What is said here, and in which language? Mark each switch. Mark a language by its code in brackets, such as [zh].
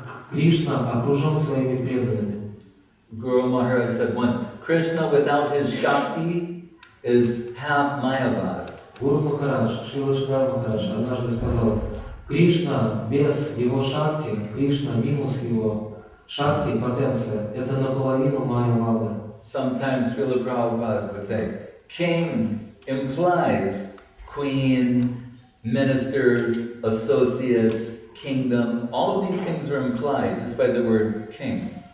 [ru] Кришна окружен своими преданными. [en] Guru Maharaj said once, Krishna without his Shakti is half Mayavad. [ru] Guru Maharaj, Шрила Шридхара Махарадж, однажды сказал, Кришна без его Шакти, Кришна минус его Шакти, потенция, это наполовину Майя-вада. [en] Sometimes Srila Prabhupada would say, king implies queen, ministers, associates, kingdom. All of these things are implied just by the word king.